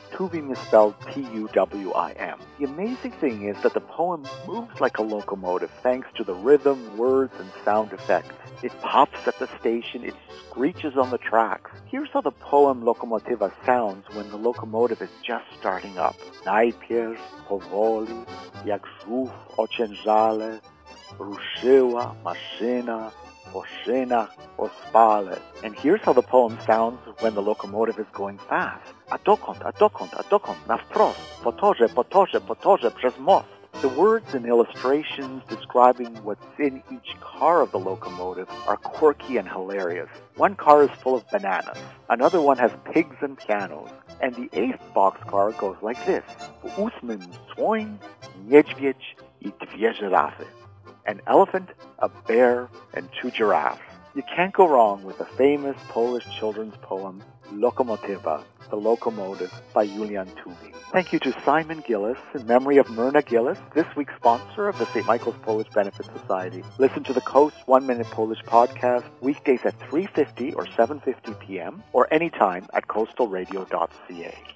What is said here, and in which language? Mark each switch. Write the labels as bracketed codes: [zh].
[en] Tuwim is spelled T-U-W-I-M. The amazing thing is that the poem moves like a locomotive thanks to the rhythm, words, and sound effects. It pops at the station, it screeches on the tracks. Here's how the poem Lokomotywa sounds when the locomotive is just starting up. [pl] Najpierw powoli, jak żółw ociężale, ruszyła maszyna po szynach ospale. [en] And here's how the poem sounds when the locomotive is going fast. [pl] A dokąd, a dokąd, a dokąd, na wprost, po torze, po torze, po torze, przez most. [en] The words and illustrations describing what's in each car of the locomotive are quirky and hilarious. One car is full of bananas. Another one has pigs and pianos. And the eighth boxcar goes like this. [pl] Ósmym słoń, niedźwiedź I dwie żyrafy. [en] An elephant, a bear, and two giraffes. You can't go wrong with the famous Polish children's poem, Lokomotywa, the locomotive, by Julian Tuwim. Thank you to Simon Gillis, in memory of Myrna Gillis, this week's sponsor of the St. Michael's Polish Benefit Society. Listen to the COAST 1 Minute Polish Podcast weekdays at 3:50 or 7:50 p.m. or anytime at coastalradio.ca.